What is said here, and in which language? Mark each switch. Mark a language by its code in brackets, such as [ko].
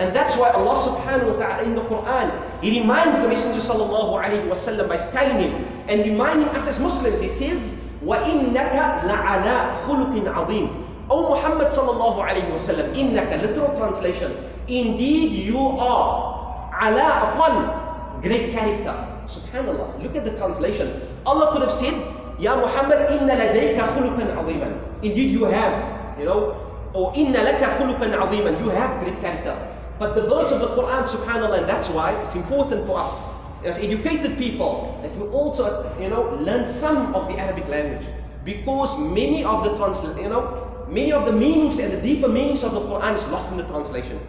[en] And that's why Allah subhanahu wa ta'ala in the Quran, He reminds the Messenger sallallahu alayhi wa sallam by telling him and reminding us as Muslims, He says, [ar] وَإِنَّكَ لَعَلَىٰ خُلُقٍ عَظِيمٍ. [en] O Muhammad sallallahu alayhi wa sallam, إِنَّكَ, literal translation, indeed you are ala, upon great character. SubhanAllah, look at the translation. Allah could have said, [ar] يَا مُحَمَّدْ إِنَّ لَدَيْكَ خُلُقًا عَظِيمًا. [en] Indeed you have, you know, or [ar] إِنَّ لَكَ خُلُقًا عَظِيمًا. [en] You have great character. But the verse of the Quran, subhanAllah, and that's why it's important for us as educated people that we also, you know, learn some of the Arabic language. Because many of the many of the meanings and the deeper meanings of the Quran is lost in the translation.